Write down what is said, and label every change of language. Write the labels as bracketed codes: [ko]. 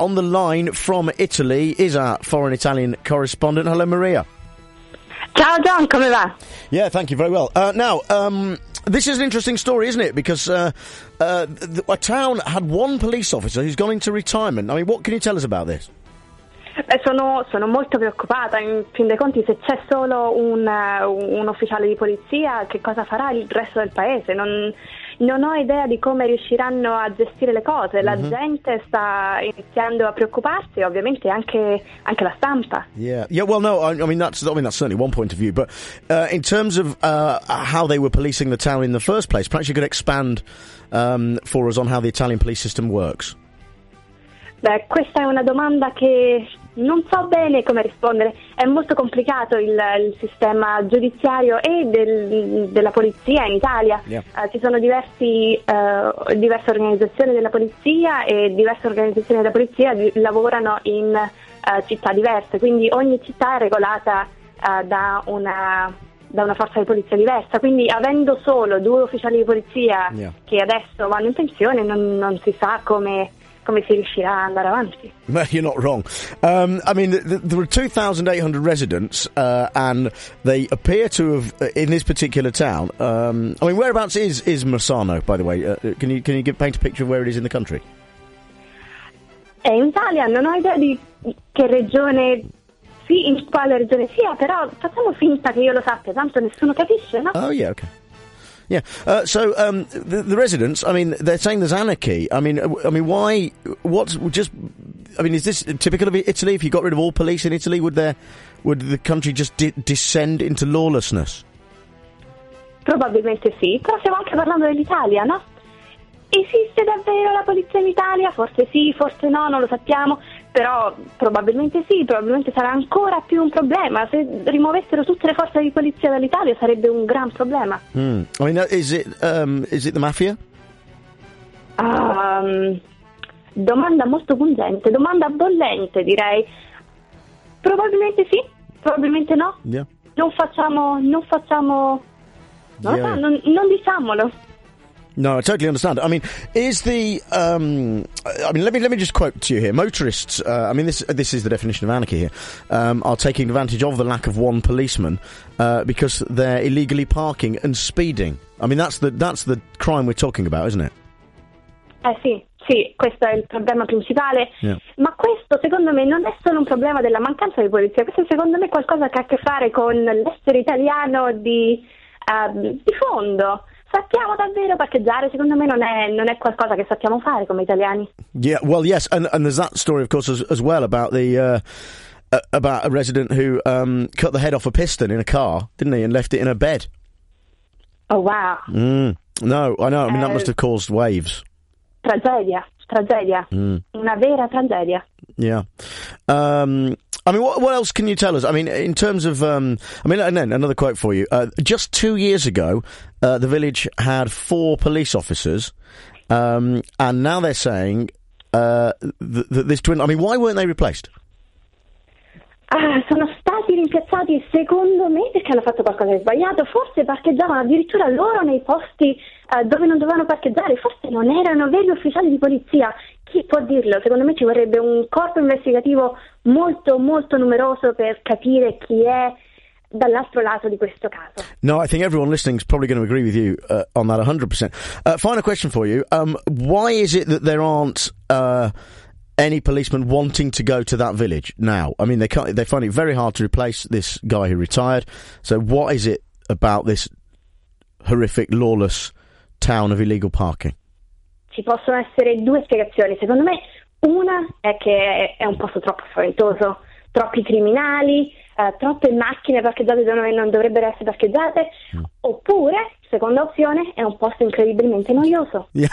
[en] On the line from Italy is our foreign Italian correspondent. Hello, Maria. [it] Ciao, John. Come va? [en] Yeah, thank you. Very well. This is an interesting story, isn't it? Because a town had one police officer who's gone into retirement. I mean, what can you tell us about this? [it] Sono molto preoccupata. In fin dei conti, se c'è solo un ufficiale di polizia, che cosa farà il resto del paese? Non ho idea di come riusciranno a gestire le cose. La gente sta iniziando a preoccuparsi, ovviamente anche la stampa. [en] I mean that's certainly one point of view, but in terms of how they were policing the town in the first place, perhaps you could expand for us on how the Italian police system works. [it] Beh, questa è una domanda che non so bene come rispondere. È molto complicato il sistema giudiziario e della polizia in Italia. [en] Yeah. [it] Ci sono diverse organizzazioni della polizia e diverse organizzazioni della polizia lavorano in città diverse, quindi ogni città è regolata da una forza di polizia diversa, quindi avendo solo due ufficiali di polizia che adesso vanno in pensione non si sa come si riuscirà ad andare avanti. [en] Well, you're not wrong. I mean, there were 2,800 residents, and they appear to have, in this particular town. I mean, whereabouts is Bressano, by the way? Can you paint a picture of where it is in the country? [it] È in Italia, non ho idea di che regione, sì, in quale regione sia, però facciamo finta che io lo sappia, tanto nessuno capisce, no? [en] Oh, yeah, okay. Yeah. So the residents, I mean, they're saying there's anarchy. Is this typical of Italy? If you got rid of all police in Italy, would the country just descend into lawlessness? [it] Probabilmente sì, però stiamo anche parlando dell'Italia, no? Esiste davvero la polizia in Italia? Forse sì, forse no, non lo sappiamo. Però probabilmente sì, probabilmente sarà ancora più un problema. Se rimuovessero tutte le forze di polizia dall'Italia sarebbe un gran problema. [en] Mm. I mean, is it the mafia? [it] Domanda molto pungente, domanda bollente direi. Probabilmente sì, probabilmente no. [en] Yeah. [it] Non facciamo... Non diciamolo. [en] No, I totally understand. I mean, is the let me just quote to you here. Motorists, this is the definition of anarchy here, are taking advantage of the lack of one policeman because they're illegally parking and speeding. I mean, that's the crime we're talking about, isn't it? [it] Sì, questo è il problema principale. [en] Yeah. [it] Ma questo, secondo me, non è solo un problema della mancanza di polizia. Questo, secondo me, è qualcosa che ha a che fare con l'essere italiano di di fondo. Sappiamo davvero parcheggiare, secondo me non è qualcosa che sappiamo fare come italiani. [en] Yeah, well, yes, and there's that story, of course, as well, about the about a resident who cut the head off a piston in a car, didn't he, and left it in a bed. Oh, wow. Mm. No, I know, I mean, that must have caused waves. [it] Tragedia. Mm. Una vera tragedia. [en] Yeah. I mean, what else can you tell us? I mean, in terms of, and then another quote for you. Just 2 years ago, the village had 4 police officers, and now they're saying this twin. I mean, why weren't they replaced? [it] Sono stati rimpiazzati, secondo me, perché hanno fatto qualcosa di sbagliato. Forse parcheggiavano addirittura loro nei posti dove non dovevano parcheggiare. Forse non erano veri ufficiali di polizia. Chi può dirlo? Secondo me ci vorrebbe un corpo investigativo molto, molto numeroso per capire chi è dall'altro lato di questo caso. [en] No, I think everyone listening is probably going to agree with you on that 100%. Final question for you. Why is it that there aren't any policemen wanting to go to that village now? I mean, they find it very hard to replace this guy who retired. So what is it about this horrific, lawless town of illegal parking? [it] Ci possono essere due spiegazioni. Secondo me, una è che è un posto troppo spaventoso, troppi criminali, troppe macchine parcheggiate dove non dovrebbero essere parcheggiate. Oppure, seconda opzione, è un posto incredibilmente noioso.